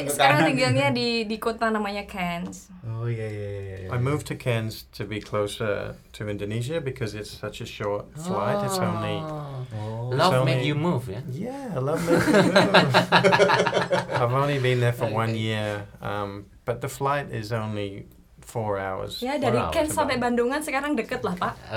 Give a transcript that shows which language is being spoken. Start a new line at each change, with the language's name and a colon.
Indonesian: Jadi sekarang tinggalnya di kota namanya Cairns.
English: I moved to Cairns to be closer to Indonesia because it's such a short flight. It's only love made you move, ya? Yeah, love made you move. I've only been there for 1 year, but the flight is only 4 hours.
Indonesian: Ya, dari Cairns sampai Bandungan sekarang deket lah, Pak.